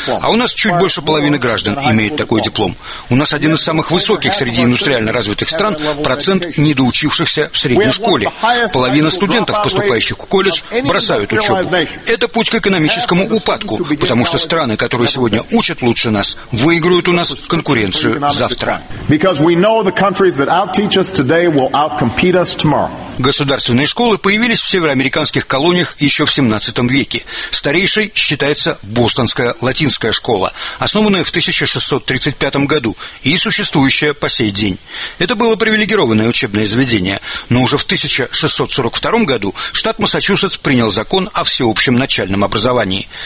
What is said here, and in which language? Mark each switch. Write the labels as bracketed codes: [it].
[ru] А у нас чуть больше половины граждан имеют такой диплом. У нас один из самых высоких среди индустриально развитых стран процент недоучившихся в средней школе. Половина студентов, поступающих в колледж, бросают учебу. Это путь к экономическому упадку, потому что страны, которые сегодня учат лучше нас, выиграют у нас конкуренцию завтра. [en] Because we know the countries that outteach us today will outcompete us tomorrow. [ru] Государственные школы появились в североамериканских колониях еще в 17 веке. Старейшей считается Бостонская латинская школа, основанная в 1635 году и существующая по сей день. Это было привилегированное учебное заведение, но уже в 1642 году штат Массачусетс принял закон о всеобщем начальном образовании.